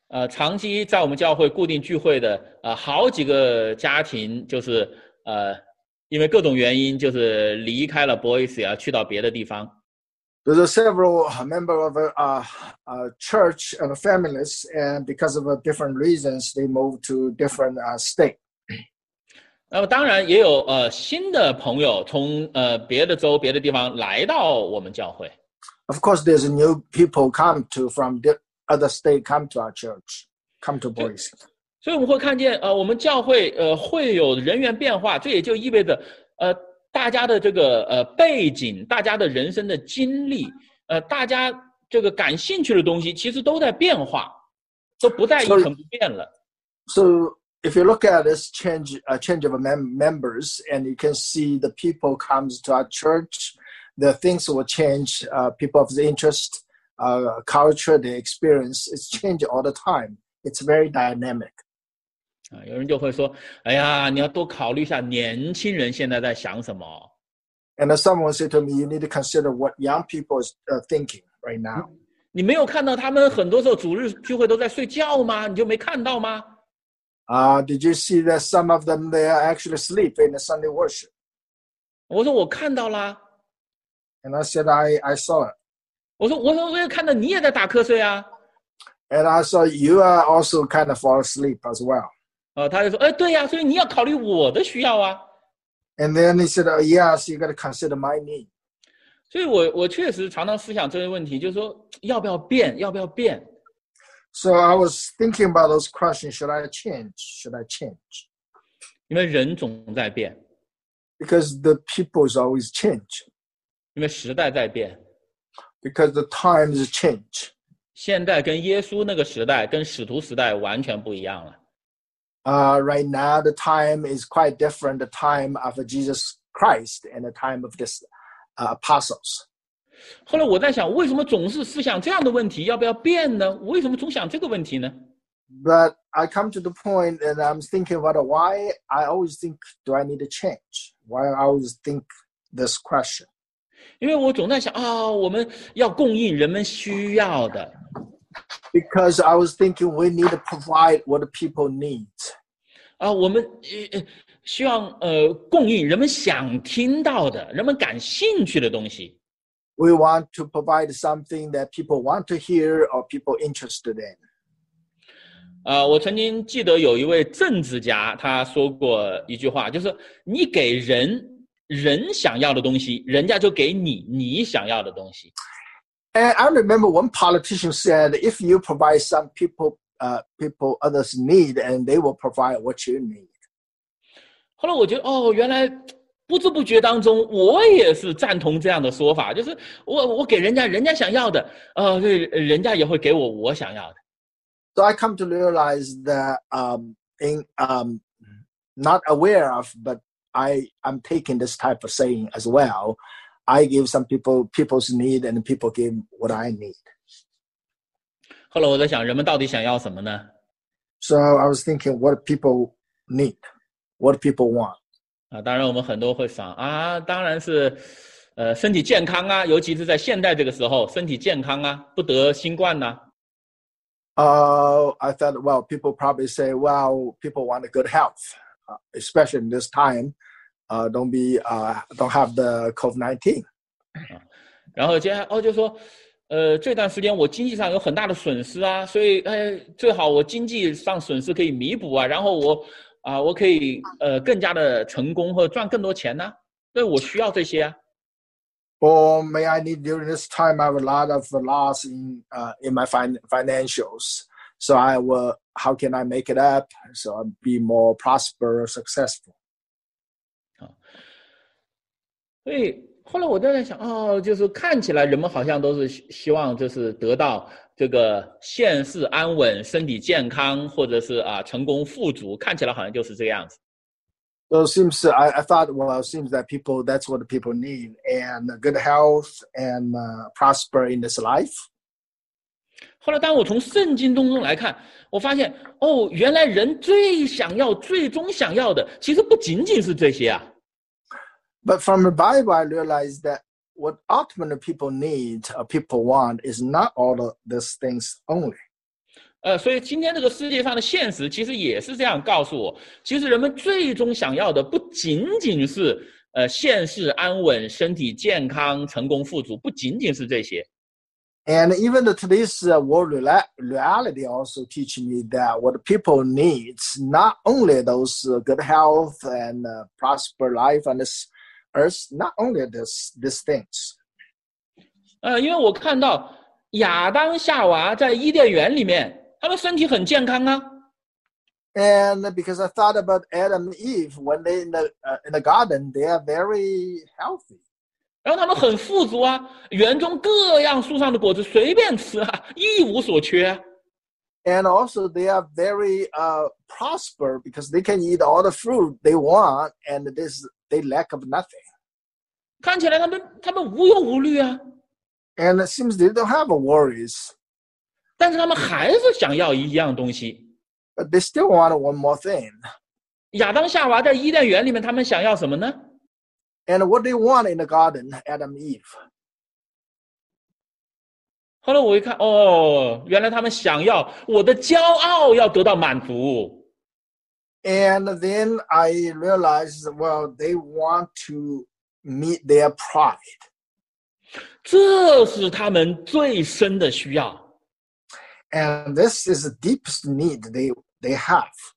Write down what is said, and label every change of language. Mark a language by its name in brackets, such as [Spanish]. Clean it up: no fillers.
[Chinese] 长期在我们教会固定聚会的好几个家庭，就是因为各种原因，就是离开了 Boise 啊，去到别的地方。 [English] There are several members of a church and families, and because of different reasons, they moved to different state. [Chinese] 当然也有新的朋友从别的州、别的地方来到我们教会。 [English] Of course, there's new people come to from the other state come to our church, come to Boise. [Chinese] 所以我们会看见我们教会会有人员变化，这也就意味着大家的这个背景，大家的人生的经历，大家这个感兴趣的东西，其实都在变化，都不再一成不变了。 [English] So if you look at this change, change of members, and you can see the people comes to our church, the things will change. People of the interest, culture, the experience, it's changing all the time. It's very dynamic. [Chinese] 有人就会说，哎呀，你要多考虑一下年轻人现在在想什么。 [English] And someone said to me, you need to consider what young people is thinking right now. [Chinese] 你没有看到他们很多时候主日聚会都在睡觉吗？你就没看到吗？ [English] Did you see that some of them, they are actually asleep in the Sunday worship? [Chinese] 我说我看到了。 [English] And I said, I saw it. [Chinese] 我说我也看到你也在打瞌睡啊。 [English] And I saw you are also kind of fall asleep as well. [Chinese] 他就说，哎，对呀，所以你要考虑我的需要啊。 [English] And then he said, oh, yes, you got to consider my knee. [Chinese] 所以我确实常常思想这个问题，就是说要不要变，要不要变。 [English] So I was thinking about those questions, should I change, should I change? [Chinese] 因为人总在变。 [English] Because the people is always change. [Chinese] 因为时代在变。 [English] Because the times change. [Chinese] 现在跟耶稣那个时代，跟使徒时代完全不一样了。 [English] Right now, the time is quite different, the time of Jesus Christ and the time of this apostles. [Chinese] 后来我在想，为什么总是思想这样的问题，要不要变呢？为什么总想这个问题呢？ [English] But I come to the point and I'm thinking about why I always think, do I need to change? Why I always think this question? [Chinese] 因为我总在想，我们要供应人们需要的。 [English] Because I was thinking we need to provide what the people need. [Chinese] 我们希望供应人们想听到的，人们感兴趣的东西。 [English] We want to provide something that people want to hear or people interested in. [Chinese] 我曾经记得有一位政治家，他说过一句话，就是你给人，人想要的东西，人家就给你，你想要的东西。 [English] And I remember one politician said, if you provide some people, people others need, and they will provide what you need. [Chinese] 后来我觉得，原来不知不觉当中，我也是赞同这样的说法，就是我给人家，人家想要的，人家也会给我想要的。 [English] So I come to realize that, not aware of, but I'm taking this type of saying as well. I give some people's need, and people give what I need. [Chinese] 后来我在想，人们到底想要什么呢？ [English] So I was thinking, what people need, what people want. [Chinese] 当然我们很多会想啊，当然是，身体健康啊，尤其是在现代这个时候，身体健康啊，不得新冠呢。 [English] I thought, well, people probably say, well, people want a good health, especially in this time. Don't have the COVID-19. [Chinese] 然后接下来就说，这段时间我经济上有很大的损失啊，所以最好我经济上损失可以弥补啊，然后我可以更加的成功或赚更多钱呢、啊，所以我需要这些啊。 [English] Or may I need during this time I have a lot of loss in my financials, so I will how can I make it up so I'll be more prosperous, successful. [Chinese] 所以后来我在想，就是看起来人们好像都是希望就是得到这个现世安稳、身体健康，或者是成功富足，看起来好像就是这个样子。 [English] So seems I thought well it seems that people that's what people need and good health and prosper in this life. [Chinese] 后来当我从圣经当中来看，我发现原来人最想要、最终想要的，其实不仅仅是这些啊。 [English] But from the Bible, I realized that what ultimate people need or people want is not all of these things only. [Chinese] 所以今天这个世界上的现实其实也是这样告诉我，其实人们最终想要的不仅仅是现世安稳、身体健康、成功富足，不仅仅是这些。 [English] And even today's world reality also teaching me that what people need is not only those good health and prosper life and this. Earth, not only these things. [Chinese] 因为我看到亚当夏娃在伊甸园里面，他们身体很健康啊。 [English] And because I thought about Adam and Eve when they in the garden, they are very healthy. [Chinese] 然后他们很富足啊，园中各样树上的果子随便吃啊，一无所缺。 [English] And also they are very prosper because they can eat all the fruit they want and this. They lack of nothing. [Chinese] 看起来他们无忧无虑啊。 [English] And it seems they don't have worries. [Chinese] 但是他们还是想要一样东西。 [English] But they still want one more thing. [Chinese] 亚当夏娃在伊甸园里面，他们想要什么呢？ [English] And what they want in the garden, Adam and Eve. [Chinese] 后来我一看，原来他们想要我的骄傲要得到满足。 [English] And then I realized, well, they want to meet their pride. [Chinese] 这是他们最深的需要。 [English] And this is the deepest need they have.